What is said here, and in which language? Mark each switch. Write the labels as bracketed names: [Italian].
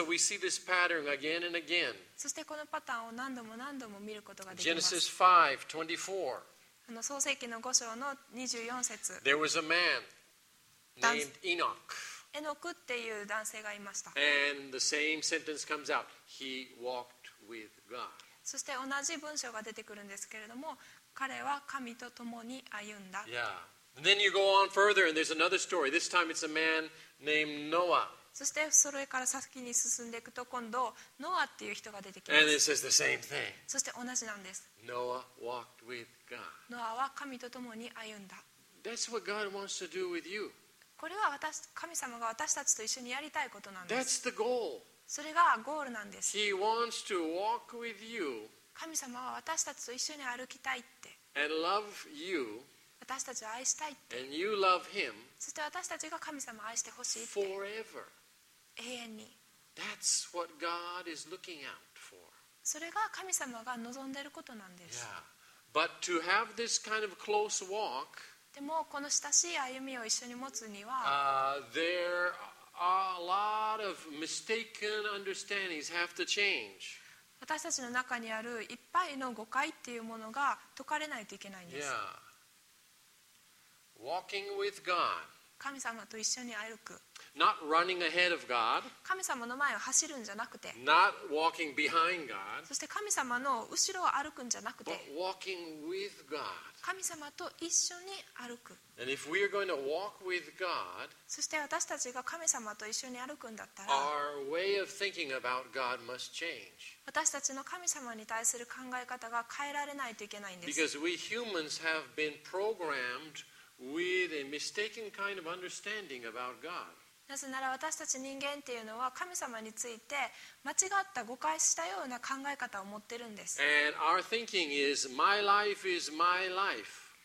[English] And so we see this pattern again and again. [Japanese] そしてこのパターンを何度も何度も見ることができます。 [English] Genesis 5:24. [Japanese] 創世記の5章の24節。 [English] There was a man named Enoch. [Japanese] エノクっていう男性がいました。 [English] And the same sentence comes out. He walked with God. [Japanese] そして同じ文章が出てくるんですけれども、彼は神と共に歩んだ。 [English] Yeah. And then you go on further, and there's another story. This time it's a man named Noah. [Japanese] そしてそれから先に進んでいくと、今度ノアっていう人が出てきます。 [English] And it says the same thing. [Japanese] そして同じなんです。 [English] Noah walked with God. [Japanese] ノアは神と共に歩んだ。 [English] That's what God wants to do with you. [Japanese] これは神様が私たちと一緒にやりたいことなんです。 [English] That's the goal. [Japanese] それがゴールなんです。 [English] He wants to walk with you. [Japanese] 神様は私たちと一緒に歩きたいって。 [English] And love you. [Japanese] 私たちを愛したいって。 [English] And you love him. [Japanese] そして私たちが神様を愛してほしいって。 [English] Forever. [Japanese] 永遠に。 [English] That's what God is looking out for. [Japanese] それが神様が望んでいることなんです。 [English] Yeah. But to have this kind of close walk. [Japanese] でもこの親しい歩みを一緒に持つには、 [English] there are a lot of mistaken understandings have to change. [Japanese] 私たちの中にあるいっぱいの誤解っていうものが解かれないといけないんです。 [English] Yeah. Walking with God. [Japanese] 神様と一緒に歩く。 [English] Not running ahead of God. [Japanese] 神様の前を走るんじゃなくて。 [English] Not walking behind God. [Japanese] そして神様の後ろを歩くんじゃなくて。 [English] But walking with God. [Japanese] 神様と一緒に歩く。 [English] And if we are going to walk with God. [Japanese] そして私たちが神様と一緒に歩くんだったら。 [English] Our way of thinking about God must change. [Japanese] 私たちの神様に対する考え方が変えられないといけないんです。 [English] Because we humans have been programmed. With a mistaken kind of understanding about God. [Japanese] なぜなら私たち人間っていうのは神様について間違った誤解したような考え方を持ってるんです。 [English] And our thinking is, my life is my life.